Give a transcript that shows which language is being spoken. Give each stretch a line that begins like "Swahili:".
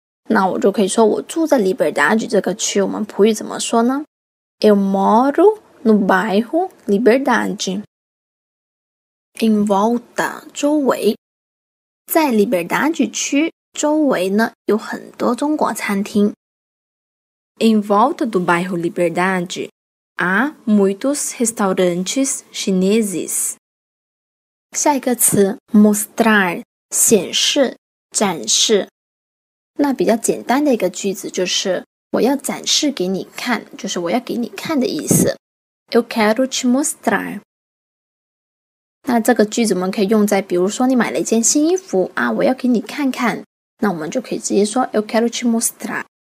Chinese: 那我就可以说我住在 Liberdade 这个区，我们普语怎么说呢 ？
Portuguese: Eu moro no bairro Liberdade。
Chinese: In volta 周围，在 Liberdade 区周围呢有很多中国餐厅。
Portuguese: In volta do bairro Liberdade há muitos restaurantes chineses。
Chinese: 下一个词 mostrar 显示、展示。那比较简单的一个句子就是我要展示给你看，就是我要给你看的意思。
Portuguese: Eu quero te mostrar。
Chinese: 那这个句子我们可以用在比如说你买了一件新衣服啊，我要给你看看，那我们就可以直接说
Portuguese: Eu quero te mostrar。